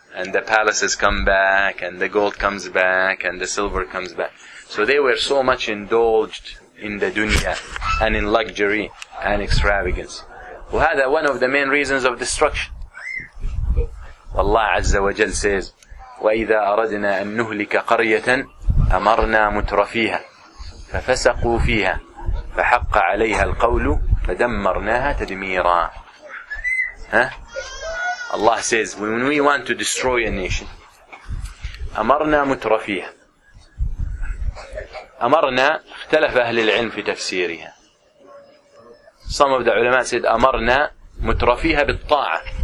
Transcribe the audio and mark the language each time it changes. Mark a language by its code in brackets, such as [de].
[en] And the palaces come back. And the gold comes back. And the silver comes back. So they were so much indulged in the dunya. And in luxury and extravagance. [ar] وهذا [en] one of the main reasons of destruction. [ar] Allah Azza wa Jal says, وَإِذَا أَرَدْنَا أَن نُهْلِكَ قَرْيَةً أَمَرْنَا مُتْرَفِيهَا فَفَسَقُوا فِيهَا فَحَقَّ عَلَيْهَا الْقَوْلُ فَدَمَّرْنَاهَا تَدْمِيرًا. [en] Allah says, when we want to destroy a nation, [ar] أَمَرْنَا مُتْرَفِيهَا. أَمَرْنَا, اختلف أهل العلم في تفسيرها. [en] Some of the ulama said, [ar] أَمَرْنَا مُتْرَفِيهَا بِالطَّاعَةِ.